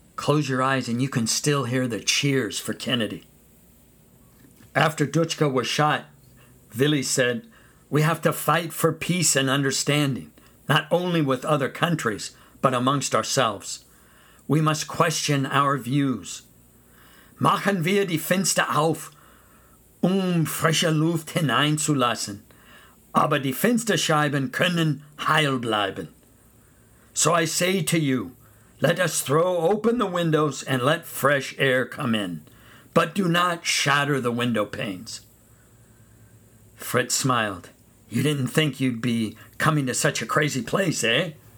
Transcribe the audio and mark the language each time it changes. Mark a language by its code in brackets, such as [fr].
[en] Close your eyes and you can still hear the cheers for Kennedy. After Dutschke was shot, Willy said, "We have to fight for peace and understanding, not only with other countries, but amongst ourselves. We must question our views. [de] Machen wir die Fenster auf, frische Luft hineinzulassen, aber die Fensterscheiben können heil bleiben. [en] So I say to you, let us throw open the windows and let fresh air come in, but do not shatter the window panes." Fritz smiled. "You didn't think you'd be coming to such a crazy place, eh?"